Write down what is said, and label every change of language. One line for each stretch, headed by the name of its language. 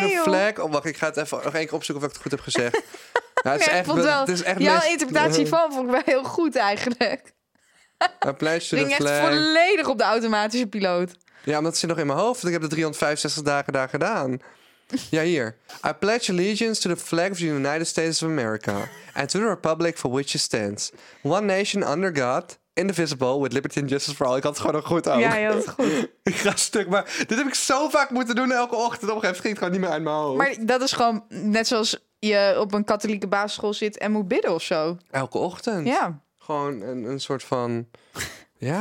English: to the flag.
Dutch: Oh, wacht, ik ga het even nog één keer opzoeken of ik het goed heb gezegd. Ja, jouw interpretatie van vond ik wel heel goed eigenlijk. Ik ging echt volledig op de automatische piloot. Ja, omdat het zit nog in mijn hoofd. Want ik heb de 365 dagen daar gedaan. Ja, hier.
English: I pledge allegiance to the flag of the United States of America. And to the republic for which it stands. One nation under God. Indivisible with liberty and justice for all.
Dutch: Ik had het gewoon nog goed aan. Ja, je had het goed. Ik ga stuk. Maar dit heb ik zo vaak moeten doen elke ochtend. Op een gegeven moment ging het gewoon niet meer uit mijn hoofd. Maar dat is gewoon net zoals je op een katholieke basisschool zit en moet bidden of zo. Elke ochtend? Ja. Gewoon een soort van... Ja,